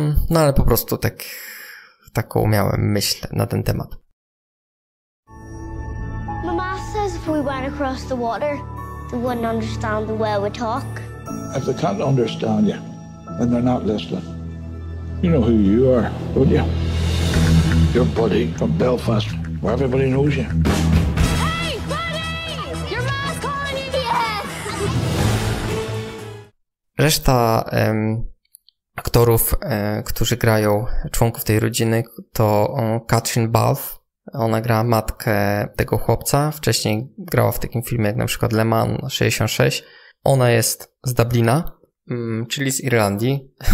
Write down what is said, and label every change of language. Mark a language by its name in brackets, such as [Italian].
[Polish] No ale po prostu tak, taką miałem myśl na ten temat. [English] Mama says if we went across the water, they wouldn't understand the way we talk. If they can't understand you, then they're not listening. You know who you are, don't you? Your buddy from Belfast, where everybody knows you. Hey, buddy! Your mom's calling you the ass! [Polish] Reszta aktorów, którzy grają członków tej rodziny, to Katrin Balfe. Ona grała matkę tego chłopca. Wcześniej grała w takim filmie jak na przykład Le Mans 66. Ona jest z Dublina, czyli z Irlandii.